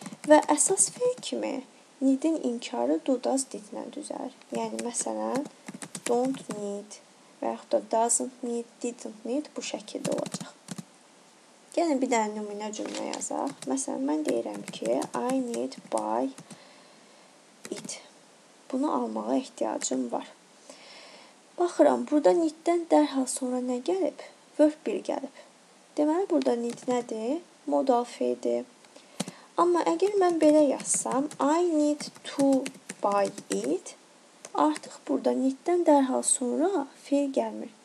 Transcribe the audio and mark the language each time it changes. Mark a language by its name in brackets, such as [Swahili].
[Azerbaijani] Və əsas fail kimi need-in inkarı do, does, did-lə düzəlir. Yəni, məsələn, don't need və yaxud da doesn't need, didn't need bu şəkildə olacaq. Gəlin, bir dənə nümunə cümlə yazaq. Məsələn, mən deyirəm ki, [English] I need buy it. [Azerbaijani] Bunu almağa ehtiyacım var. Baxıram, burada need-dən dərhal sonra nə gəlib? Verb 1 gəlib. Deməli, burada need nədir? Modal fail-dir. Amma əgər mən belə yazsam, [English] I need to buy it, [Azerbaijani] artıq burada need-dən dərhal sonra fail gəlmir.